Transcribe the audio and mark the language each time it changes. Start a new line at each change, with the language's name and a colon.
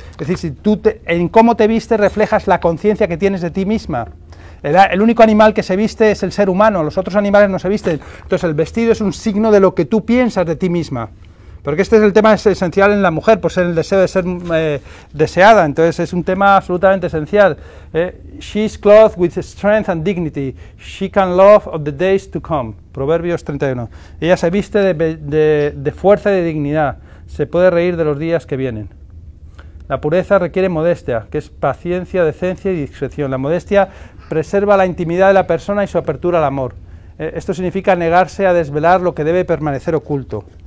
Spanish: Es decir, si tú en cómo te vistes reflejas la conciencia que tienes de ti misma. El único animal que se viste es el ser humano, los otros animales no se visten. Entonces el vestido es un signo de lo que tú piensas de ti misma. Porque este es el tema esencial en la mujer, pues es el deseo de ser deseada. Entonces es un tema absolutamente esencial.
English: She's clothed with strength and dignity. She can love of the days to come.
Spanish: Proverbios 31. Ella se viste de fuerza y de dignidad. Se puede reír de los días que vienen. La pureza requiere modestia, que es paciencia, decencia y discreción. La modestia preserva la intimidad de la persona y su apertura al amor. Esto significa negarse a desvelar lo que debe permanecer oculto.